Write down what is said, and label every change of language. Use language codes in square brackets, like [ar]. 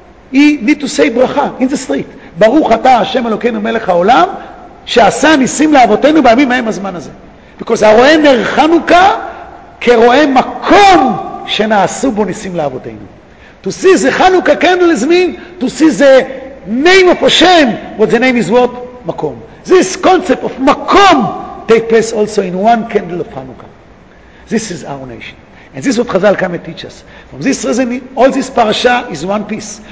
[en] He need to say bracha in the street. [he] Baruch ata Hashem Elokeinu Melech HaOlam שעשה ניסים לאבותינו בימים מהם הזמן הזה. [en] Because [he] הרואה נר חנוכה כרואה מקום שנעשו בו ניסים לאבותינו. [en] To see the Hanukkah candle is mean to see the name of Hashem, what the name is what? מקום. This concept of מקום take place also in one candle of Hanukkah. This is our nation. And this is what Chazal came and teach us. From this reason, all this parasha is one piece.